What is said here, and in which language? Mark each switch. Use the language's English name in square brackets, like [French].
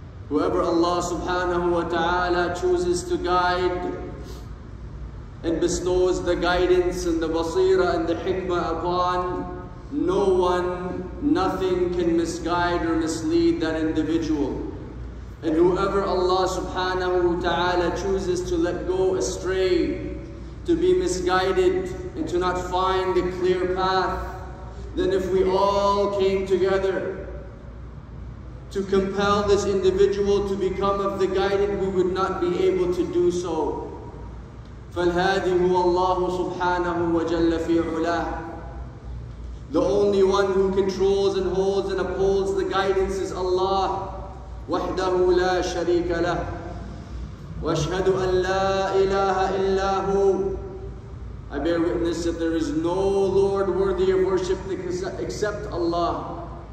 [English] Whoever Allah subhanahu wa ta'ala chooses to guide and bestows the guidance and the basira and the hikmah upon, no one, nothing can misguide or mislead that individual. And whoever Allah subhanahu wa ta'ala chooses to let go astray, to be misguided and to not find the clear path, then if we all came together to compel this individual to become of the guided, we would not be able to do so. [Arabic] فالهادي هو الله سبحانه وجل في علاه. [English] The only one who controls and holds and upholds the guidance is Allah. [Arabic] وحده لا شريك له. واشهد أن لا إله إلا هو. [English] I bear witness that there is no Lord worthy of worship except Allah.